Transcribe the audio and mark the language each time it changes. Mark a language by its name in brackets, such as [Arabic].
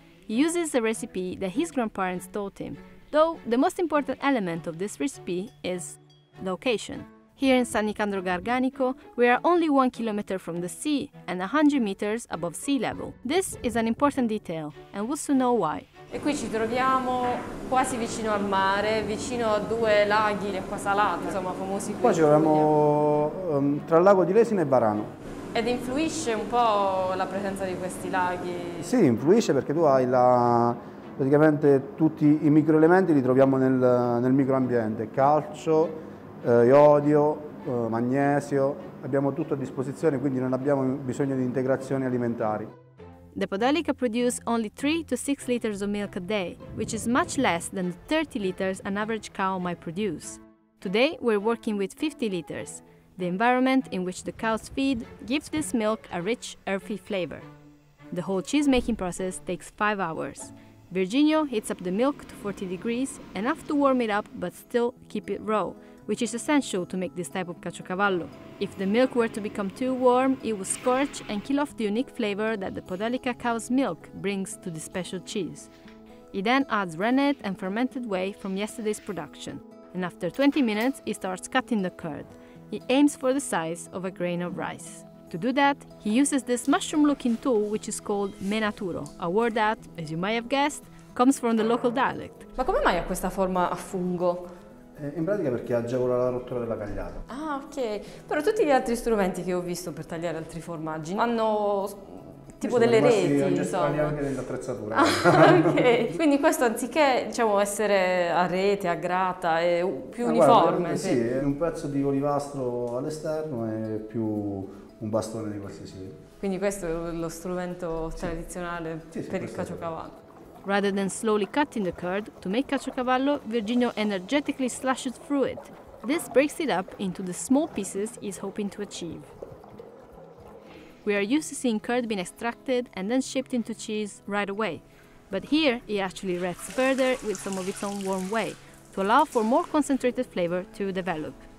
[English] He uses a recipe that his grandparents taught him, though the most important element of this recipe is location. Here in San Nicandro Garganico, we are only 1 kilometer from the sea and 100 meters above sea level. This is an important detail, and we'll soon know why. [Italian] E qui ci troviamo quasi vicino al mare, vicino a due laghi di acqua salata, insomma, famosi qui. Qua ci troviamo tra il lago di Lesina e Varano. Ed influisce un po' la presenza di questi laghi? Sì, influisce perché tu hai praticamente tutti i microelementi li troviamo nel microambiente, calcio, iodio, magnesio, abbiamo tutto a disposizione, quindi non abbiamo bisogno di integrazioni alimentari. [English] The Podolica produce only 3 to 6 liters of milk a day, which is much less than the 30 liters an average cow might produce. Today, we're working with 50 liters. The environment in which the cows feed gives this milk a rich, earthy flavor. The whole cheese-making process takes 5 hours. Virginio heats up the milk to 40 degrees, enough to warm it up but still keep it raw, which is essential to make this type of caciocavallo. If the milk were to become too warm, it would scorch and kill off the unique flavor that the Podolica cow's milk brings to the special cheese. He then adds rennet and fermented whey from yesterday's production. And after 20 minutes, he starts cutting the curd. He aims for the size of a grain of rice. To do that, he uses this mushroom-looking tool, which is called menaturo, a word that, as you might have guessed, comes from the local dialect. [Italian] Ma come mai ha questa forma a fungo? In pratica perché agevola la rottura della cagliata. Ah, ok. Però tutti gli altri strumenti che ho visto per tagliare altri formaggi hanno tipo delle reti, insomma. Sì, sono rimasti anche nell'attrezzatura. Ah, ok. Quindi questo anziché, diciamo, essere a rete, a grata, è più uniforme. Guarda, sì, è un pezzo di olivastro all'esterno e più un bastone di qualsiasi. Quindi questo è lo strumento tradizionale per il caciocavallo. [English] Rather than slowly cutting the curd, to make caciocavallo, Virginio energetically slashes through it. This breaks it up into the small pieces he's hoping to achieve. We are used to seeing curd being extracted and then shaped into cheese right away. But here, he actually rests further with some of its own warm whey, to allow for more concentrated flavor to develop.